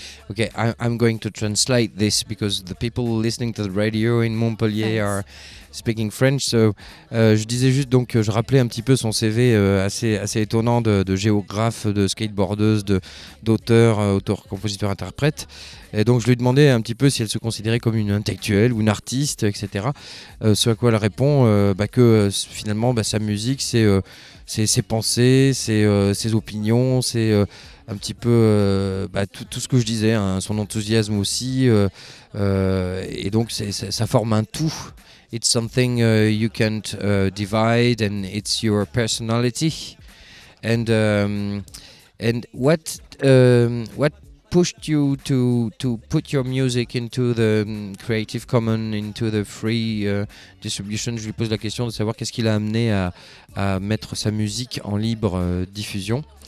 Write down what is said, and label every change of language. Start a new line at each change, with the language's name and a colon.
English: okay, I'm going to translate this because the people listening to the radio in Montpellier Thanks. Are speaking French.
French: So, je disais juste donc je rappelais un petit peu son CV assez étonnant de géographe, de skateboardeuse, d'auteur, auteur, compositeur, interprète. Et donc je lui demandais un petit peu si elle se considérait comme une intellectuelle ou une artiste, etc. Ce à quoi elle répond que finalement sa musique c'est ses pensées, c'est ses opinions, c'est un petit peu tout ce que je disais, hein, son enthousiasme aussi, et donc ça forme un tout.
English: It's something you can't divide, and it's your personality. And what pushed you to put your music into the Creative Commons, into the free distribution?
French: Je lui pose la question de savoir qu'est-ce qui l'a amené à mettre sa musique en libre diffusion.